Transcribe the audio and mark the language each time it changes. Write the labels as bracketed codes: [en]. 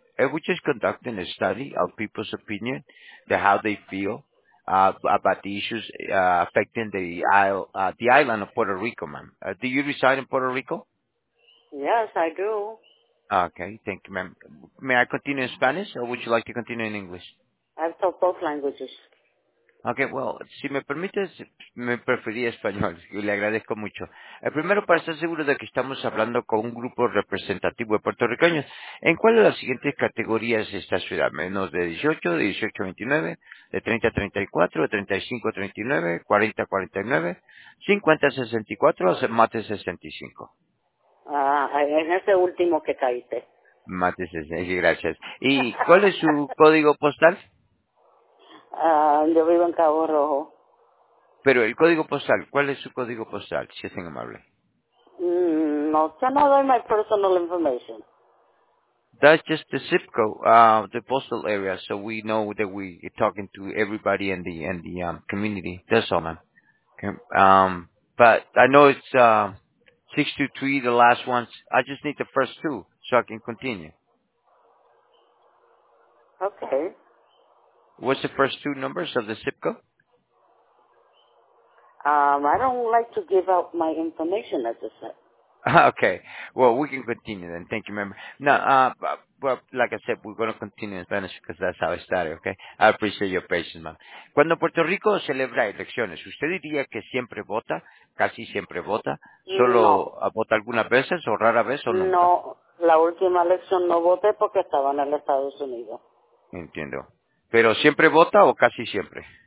[en] We're just conducting a study of people's opinion, how they feel about the issues affecting the island of Puerto Rico, ma'am. Do you reside in Puerto Rico? Yes, I do. Okay, thank you, ma'am. May I continue in Spanish, or would you like to continue in English? I've taught both languages. Okay, well, [es] si me permites, me preferiría español, le agradezco mucho. Primero, para estar seguro de que estamos hablando con un grupo representativo de puertorriqueños, ¿en cuál de las siguientes categorías está su edad? ¿Menos de 18, de 18 a 29, de 30 a 34, de 35 a 39, 40 a 49, 50 a 64 o más de 65? En ese último que caíste. Más de 65, gracias. ¿Y cuál es su código postal? Yo vivo en Cabo Rojo. Pero el código postal, ¿cuál es su código postal, si es tan amable? No, yo no doy mi [en] personal information. That's just the zip code, the postal area, so we know that we're talking to everybody in the community. That's all, ma'am. Okay. But I know it's 623, the last ones. I just need the first two so I can continue. Okay. What's the first two numbers of the zip code? I don't like to give out my information, as I said. Okay. Well, we can continue then. Thank you, member. Now, well, like I said, we're going to continue in Spanish because that's how I started, okay? I appreciate your patience, ma'am. [es] Cuando Puerto Rico celebra elecciones, ¿usted diría que siempre vota, casi siempre vota? ¿Solo no. vota algunas veces o rara vez o nunca? No, la última elección no voté porque estaba en el Estados Unidos. Entiendo. ¿Pero siempre vota o casi siempre?